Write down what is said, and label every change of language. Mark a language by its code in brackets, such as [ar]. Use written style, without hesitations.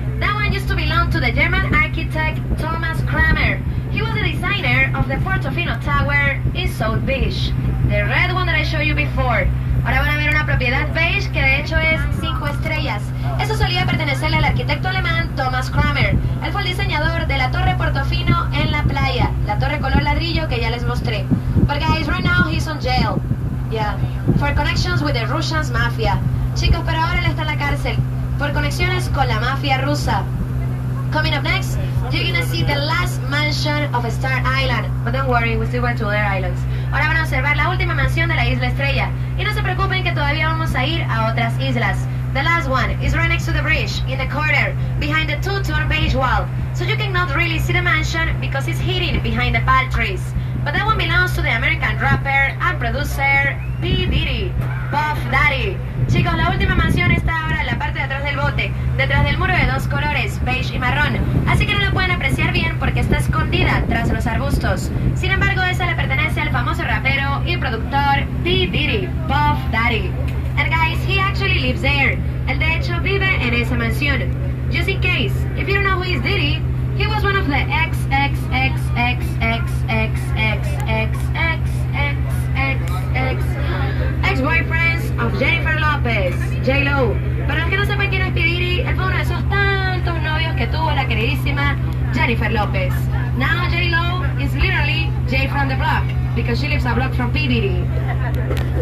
[en] That one used to belong to the German architect Thomas Kramer. He was the designer of the Portofino Tower in South Beach. The red one that I showed you before. [es] Ahora van a ver una propiedad beige que de hecho es 5 estrellas. Eso solía pertenecerle al arquitecto alemán Thomas Kramer. Él fue el diseñador de la Torre Portofino en la playa, la torre color ladrillo que ya les mostré. [en] But guys, right now he's on jail. Yeah, for connections with the Russian mafia. [es] Chicos, pero ahora él está en la cárcel por conexiones con la mafia rusa. [en] Coming up next, you're gonna see the last mansion of Star Island. But don't worry, we still went to other islands. [es] Ahora van a observar la última mansión de la Isla Estrella. Y no se preocupen que todavía vamos a ir a otras islas. [en] The last one is right next to the bridge, in the corner, behind the two-tone beige wall. So you cannot really see the mansion because it's hidden behind the palm trees. But that one belongs to the American rapper and producer P. Diddy, Puff Daddy. [es] Chicos, la última mansión está ahora en la parte de atrás del bote, detrás del muro de 2 colores, beige y marrón. Así que no la pueden apreciar bien porque está escondida tras los arbustos. Sin embargo, esa le pertenece al famoso rapero y productor P. [en] Diddy, Puff Daddy. And guys, he actually lives there. [es] Él de hecho vive en esa mansión. [en] Just in case, if you don't know who is Diddy, he was one of the ex-boyfriends of Jennifer Lopez, J-Lo. [es] Para los que no sepan quién es Diddy, él fue uno de esos tantos novios que tuvo la queridísima Jennifer Lopez. [en] Now J-Lo is literally J from the block, because she lives a block from P. Diddy.